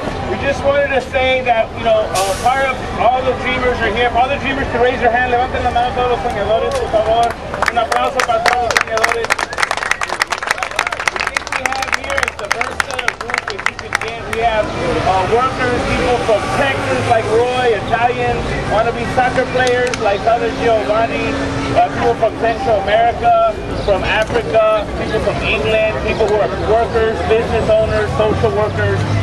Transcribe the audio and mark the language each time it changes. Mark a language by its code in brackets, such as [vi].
[en] We just wanted to say that, you know, part of all the dreamers are here. All the dreamers can raise your hand. [es] Levanten la mano todos los soñadores, por favor. Un aplauso para todos los soñadores. [en] The thing we have here is the first set of groups that you can get. We have workers, people from Texas like Roy, Italians, wannabe soccer players like other Giovanni, people from Central America, from Africa, people from England, people who are workers, business owners, social workers.